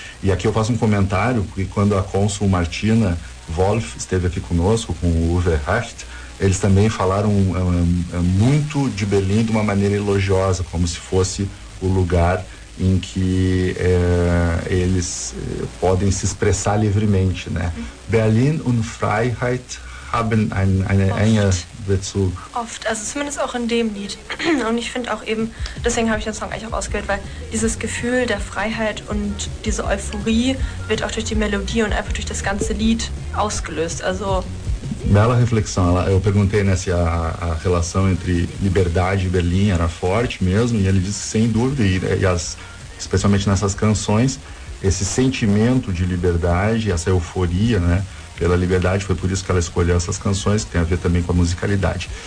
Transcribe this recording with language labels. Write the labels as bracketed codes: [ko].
[pt] E aqui eu faço comentário, porque quando a cônsul Martina Wolf esteve aqui conosco, com o Uwe Hecht, eles também falaram muito de Berlim de uma maneira elogiosa, como se fosse o lugar em que eles podem se expressar livremente, né? Berlim [de] und Freiheit haben eine enge Bezug. Oft, also zumindest auch in dem Lied. Und ich finde auch eben, deswegen habe ich den Song eigentlich auch ausgewählt, weil dieses Gefühl der Freiheit und diese Euphorie wird auch durch die Melodie und einfach durch das ganze Lied ausgelöst. Also [pt] bela reflexão. Eu perguntei, né, se a relação entre liberdade e Berlim era forte mesmo, e ele disse sem dúvida, e as, especialmente nessas canções, esse sentimento de liberdade, essa euforia, né, pela liberdade, foi por isso que ela escolheu essas canções, que tem a ver também com a musicalidade.